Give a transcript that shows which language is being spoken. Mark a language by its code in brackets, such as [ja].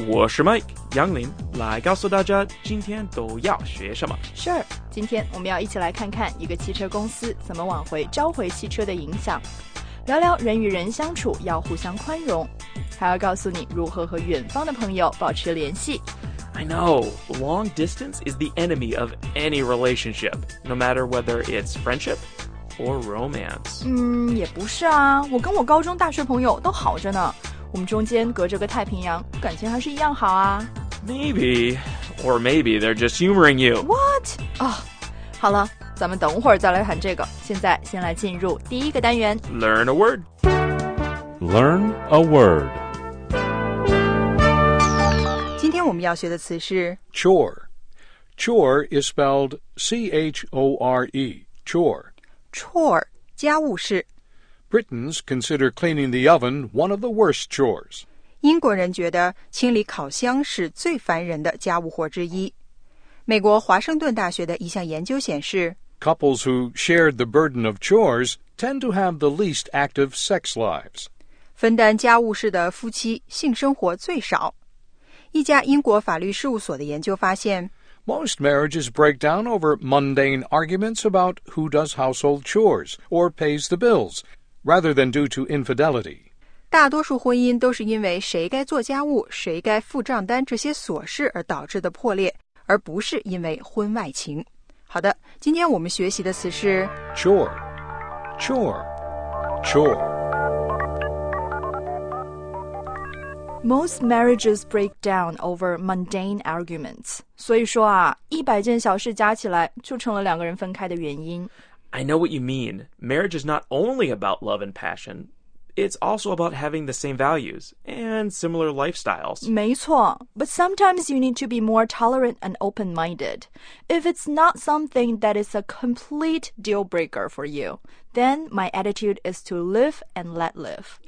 [zh] 我是 Mike 杨林，来告诉大家今天都要学什么。 [en] Sure， [zh] 今天我们要一起来看看一个汽车公司怎么挽回召回汽车的影响，聊聊人与人相处要互相宽容，还要告诉你如何和远方的朋友保持联系。 [en] I know, long distance is the enemy of any relationship, no matter whether it's friendship or romance. [zh] 也不是啊，我跟我高中大学朋友都好着呢，我们中间隔着个太平洋，感情还是一样好啊。 [en] Maybe, or maybe they're just humoring you. What? [zh] 好了，咱们等会儿再来谈这个，现在先来进入第一个单元。 [en] Learn a word. Learn a word. [zh] 今天我们要学的词是 [en] chore. Chore is spelled C-H-O-R-E, chore. [zh] Chore, 家务事。 [en] Britons consider cleaning the oven one of the worst chores. [zh] 英国人觉得清理烤箱是最烦人的家务活之一。美国华盛顿大学的一项研究显示 [en] Couples who shared the burden of chores tend to have the least active sex lives. [zh] 分担家务事的夫妻性生活最少。一家英国法律事务所的研究发现 [en] Most marriages break down over mundane arguments about who does household chores or pays the bills, rather than due to infidelity. [zh] 大多数婚姻都是因为谁该做家务、谁该付账单这些琐事而导致的破裂，而不是因为婚外情。好的，今天我们学习的词是 [en] chore, chore, chore. Most marriages break down over mundane arguments. [zh] 所以说啊，一百件小事加起来就成了两个人分开的原因。 [en] I know what you mean. Marriage is not only about love and passion. It's also about having the same values and similar lifestyles. [zh] 没错。 [en] But sometimes you need to be more tolerant and open-minded. If it's not something that is a complete deal breaker for you, then my attitude is to live and let live.